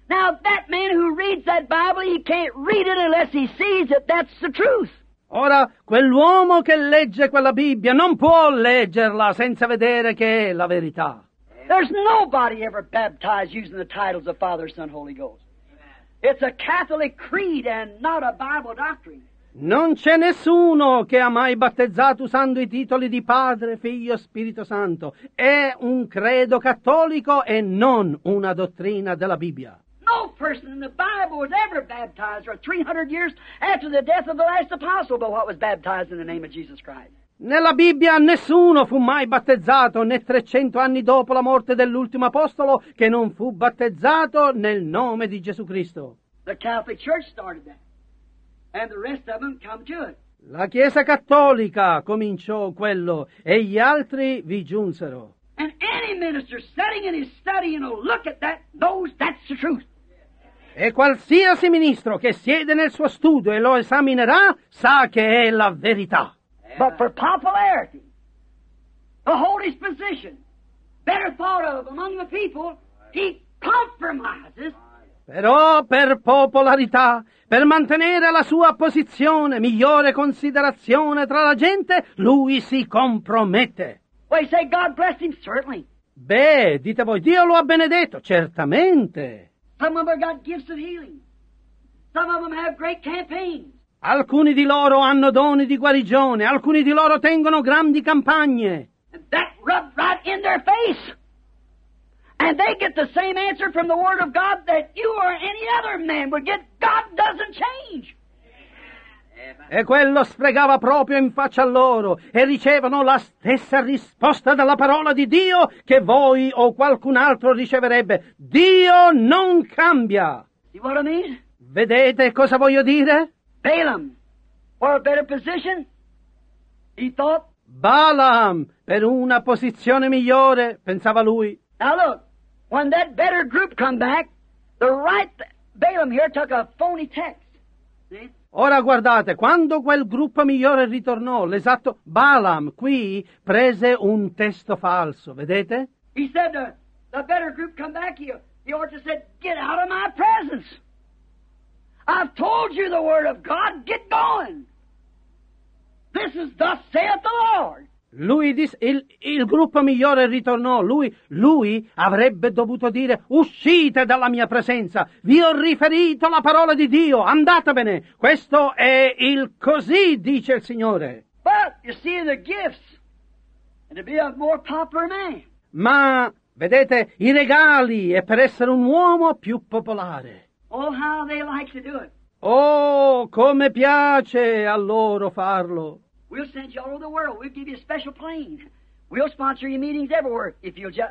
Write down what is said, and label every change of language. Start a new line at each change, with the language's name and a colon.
English: Now, that man who reads that Bible, he can't read it unless he sees that that's the truth.
Italian: Ora, quell'uomo che legge quella Bibbia non può leggerla senza vedere che è la verità.
English: There's nobody ever baptized using the titles of Father, Son, Holy Ghost. It's a Catholic creed and not a Bible doctrine.
Italian: Non c'è nessuno che ha mai battezzato usando i titoli di Padre, Figlio, Spirito Santo. È un credo cattolico e non una dottrina della Bibbia.
English: No person in the Bible was ever baptized for 300 years after the death of the last apostle but what was baptized in the name of Jesus Christ.
Italian: Nella Bibbia nessuno fu mai battezzato né 300 anni dopo la morte dell'ultimo apostolo che non fu battezzato nel nome di Gesù Cristo.
English: The Catholic Church started that. And the rest of them come to it.
Italian: La Chiesa Cattolica cominciò quello e gli altri vi giunsero.
English: And any minister sitting in his study and will look at that knows that's the truth.
Italian: E qualsiasi ministro che siede nel suo studio e lo esaminerà sa che è la verità.
English: But for popularity, the holy position, better thought of among the people, he compromises.
Italian: Però per popolarità, per mantenere la sua posizione, migliore considerazione tra la gente, lui si compromette.
English: Well, you say, God bless him, certainly.
Italian: Beh, dite voi, Dio lo ha benedetto, certamente.
English: Some of them have got gifts of healing. Some of them have great campaigns.
Italian: Alcuni di loro hanno doni di guarigione, alcuni di loro tengono grandi campagne.
English: And that rubbed right in their face. And they get the same answer from the Word of God that you or any other man would get. God doesn't change.
Italian: E quello sfregava proprio in faccia a loro e ricevono la stessa risposta dalla parola di Dio che voi o qualcun altro riceverebbe. Dio non cambia.
English: See what I mean?
Italian: Vedete cosa voglio dire?
English: Balaam, for a better position, he thought.
Italian: Balaam, per una posizione migliore, pensava lui.
English: Now look. When that better group come back, the right Balaam here took a phony text. See?
Italian: Ora guardate, quando quel gruppo migliore ritornò, l'esatto Balaam qui prese un testo falso, vedete?
English: He said the better group come back, He ought to have said, get out of my presence. I've told you the word of God. Get going. This is thus saith the Lord.
Italian: Lui disse, il gruppo migliore ritornò, lui avrebbe dovuto dire, uscite dalla mia presenza, vi ho riferito la parola di Dio, andatevene, questo è il così, dice il Signore.
English: But, you see, the gifts, and to be a more popular man.
Italian: Ma, vedete, i regali, e per essere un uomo più popolare.
English: Oh, how they like to do it.
Italian: Oh, come piace a loro farlo.
English: We'll send you all over the world. We'll give you a special plane. We'll sponsor your meetings everywhere if you'll just...